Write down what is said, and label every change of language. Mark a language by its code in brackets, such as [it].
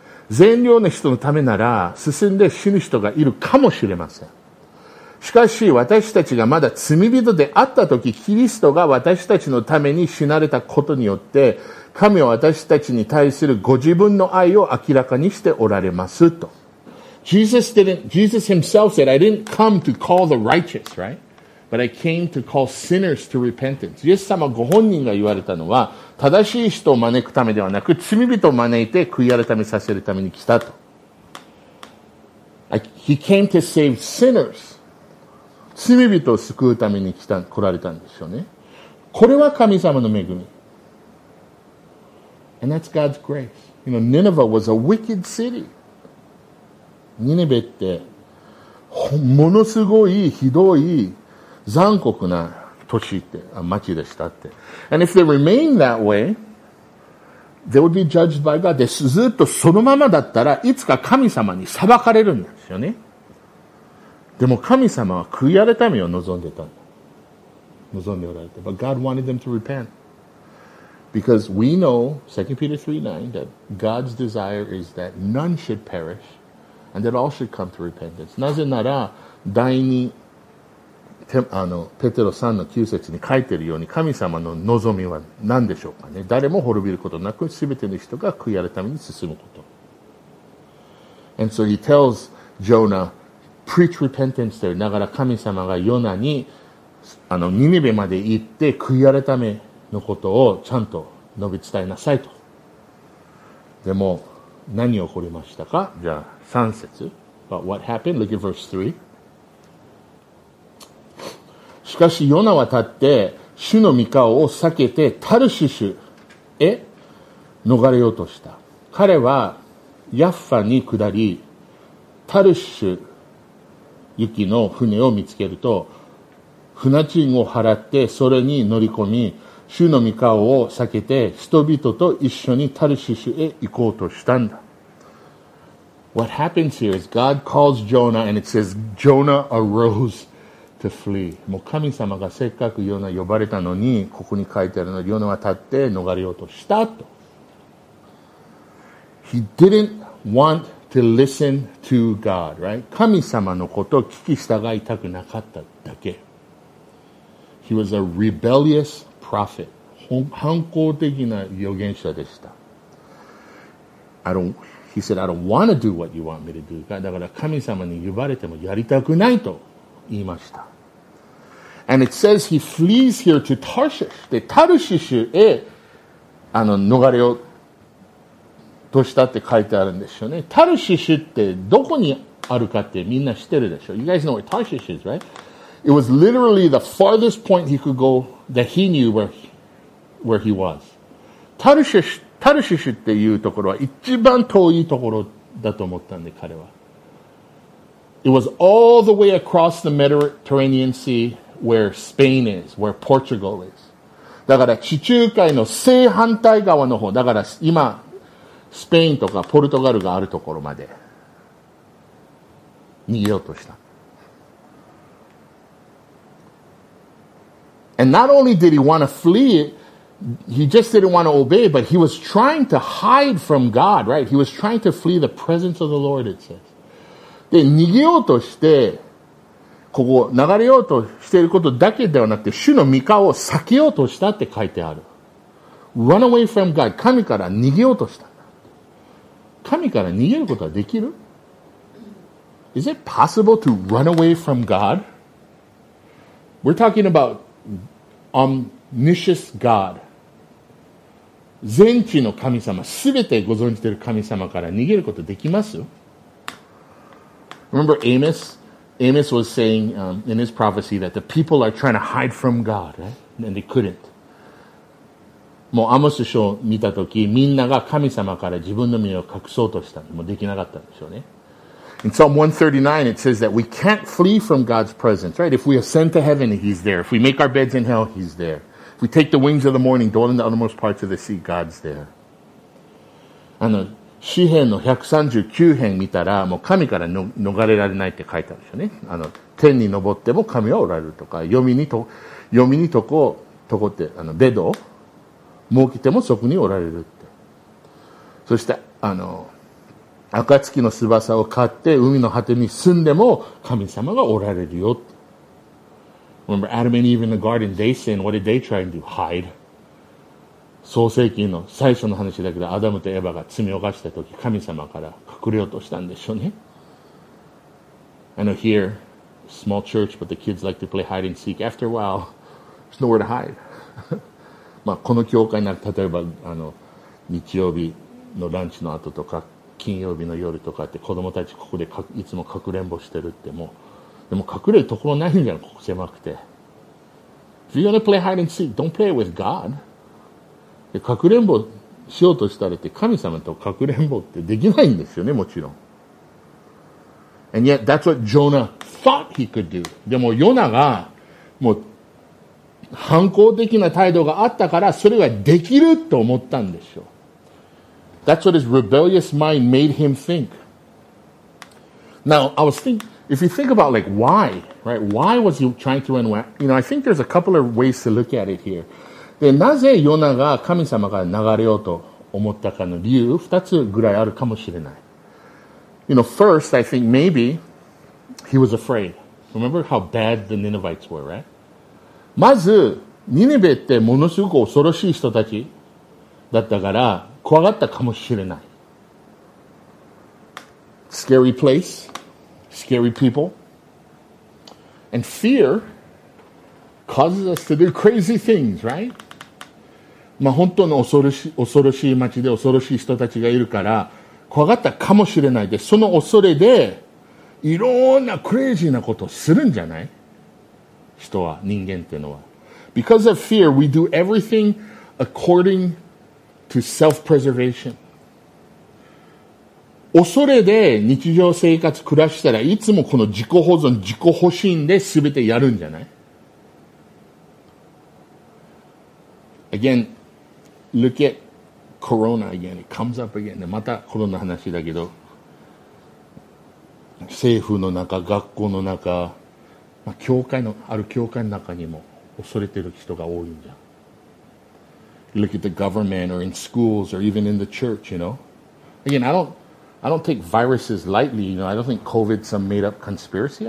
[ja] 善良な人のためなら進んで死ぬ人がいるかもしれません。しかし私たちがまだ罪人であった時、キリストが私たちのために死なれたことによって、神は私たちに対するご自分の愛を明らかにしておられますと。 [en] Jesus himself said, I didn't come to call the righteous, right? But I came to call sinners to repentance. [ja] イエス様ご本人が言われたのは、正しい人を招くためではなく、罪人を招いて悔い改めさせるために来たと。 [en] He came to save sinners. [ja] 罪人を救うために来られたんですよね。これは神様の恵み。 [en] And that's God's grace. You know, Nineveh was a wicked city. [ja] ニネベってものすごいひどい残酷な都市って町でしたって。 [en] And if they remain that way, they would be judged by God. [ja] でずっとそのままだったらいつか神様に裁かれるんですよね。でも神様は悔い改めを望んでた、望んでおられた。 [en] But God wanted them to repent because we know 2 Peter 3:9 that God's desire is that none should perishAnd that all should come to repentance. [ja] なぜなら第2ペテロ3の9節に書いているように、神様の望みは何でしょうかね。誰も滅びることなく全ての人が悔い改めに進むこと。 [en] And so he tells Jonah, preach repentance there. [ja] だから神様がヨナにニネベまで行って悔い改めのことをちゃんと述べ伝えなさいと。でも何起こりましたか。じゃあ3節。 [en] But what happened? Look at verse 3. [ja] しかしヨナは立って主の御顔を避けてタルシシュへ逃れようとした。彼はヤッファに下り、タルシュ行きの船を見つけると、船賃を払ってそれに乗り込み、主の御顔を避けて人々と一緒にタルシシュへ行こうとしたんだ。 [en] What happens here is God calls Jonah and it says Jonah arose to flee. [ja] もう神様がせっかくヨナ呼ばれたのに、ここに書いてあるのはヨナは立って逃れようとしたと。 [en] He didn't want to listen to God, right? [ja] 神様のことを聞き従いたくなかっただけ。 [en] He was a rebellious prophet. [ja] 反抗的な預言者でした。 [en] He said, I don't want to do what you want me to do. [ja] だから神様に呼ばれてもやりたくないと言いました。 [en] And it says he flees here to Tarshish. [ja] で、タルシシュへ逃れようとしたって書いてあるんですよね。タルシシュってどこにあるかってみんな知ってるでしょ。 [en] You guys know where Tarshish is, right? It was literally the farthest point he could go that he knew where he was. [ja] タルシシュっていうところは一番遠いところだと思ったんで、彼は。 [en] It was all the way across the Mediterranean Sea where Spain is, where Portugal is. [ja] だから地中海の正反対側の方、だから今、スペインとかポルトガルがあるところまで逃げようとした。 [en] And not only did he want to flee it,He just didn't want to obey, but he was trying to hide from God, right? He was trying to flee the presence of the Lord, it says. [ja] で、逃げようとして、ここ、流れようとしていることだけではなくて、主の御顔を避けようとしたって書いてある。 [en] Run away from God. [ja] 神から逃げようとした。神から逃げることはできる？ [en] Is it possible to run away from God? We're talking about, omniscious God. [ja] 全知の神様、すべてご存知ている神様から逃げることできます？ [en] Remember Amos Amos was saying in his prophecy that the people are trying to hide from God, right? And they couldn't. [ja] もうアモス書を見たとき、みんなが神様から自分の身を隠そうとした。もうできなかったんでしょうね。 [en] In Psalm 139, it says that we can't flee from God's presence, right? If we ascend to heaven, He's there. If we make our beds in hell, He's there. If we take the wings of the morning, dwell in the uttermost parts of the sea, God's there. [ja] あの、詩編の139編見たら、もう神から逃れられないって書いてあるでしょうね。あの、天に登っても神はおられるとか、読みにとこって、あの、ベドを設けてもそこにおられるって。そして、あの、暁の翼を買って海の果てに住んでも神様がおられるよって。 [en] Remember, Adam and Eve in the garden, they sinned. What did they try and do? Hide. [ja] 創世記の最初の話だけど、アダムとエバが罪を犯した時、神様から隠れようとしたんでしょうね。 [en] I know here, small church, but the kids like to play hide and seek. After a while, there's nowhere to hide. [ja] まあ、この教会なら、例えば、あの、日曜日のランチの後とか、金曜日の夜とかって、子供たちここでいつもかくれんぼしてるって、もう、でも隠れるところないじゃん、ここ狭くて。 [en] If you're gonna play hide and seek, don't play with God. [ja] で、かくれんぼしようとしたらって、神様とかくれんぼってできないんですよね、もちろん。 [en] And yet, that's what Jonah thought he could do. [ja] でも、ヨナが、もう、反抗的な態度があったからそれはできると思ったんでしょう。 [en] That's what his rebellious mind made him think. Now, I was thinking, if you think about like why, right? Why was he trying to run away? You know, I think there's a couple of ways to look at it here. [ja] で、なぜヨナが神様から逃れようと思ったかの理由、二つぐらいあるかもしれない。 [en] You know, first, I think maybe he was afraid. Remember how bad the Ninevites were, right? [ja] まず、ニネベってものすごく恐ろしい人たちだったから、怖がったかもしれない。 [en] Scary place, scary people. And fear causes us to do crazy things, right? [ja] まあ本当の恐ろしい町で恐ろしい人たちがいるから、怖がったかもしれない。で、その恐れで、いろんなクレイジーなことをするんじゃない? 人は、人間っていうのは。 [en] Because of fear, we do everything according to self-preservation. [ja] 恐れで日常生活暮らしたらいつもこの自己保存、自己保身で全てやるんじゃない? [en] Again, look at Corona again. It comes up again. [ja] またコロナの話だけど、政府の中、学校の中、教会のある教会の中にも恐れてる人が多いんじゃん。 [en] Look at the government or in schools or even in the church, you know. Again, I don't take viruses lightly. You know, I don't think COVID's some made up conspiracy.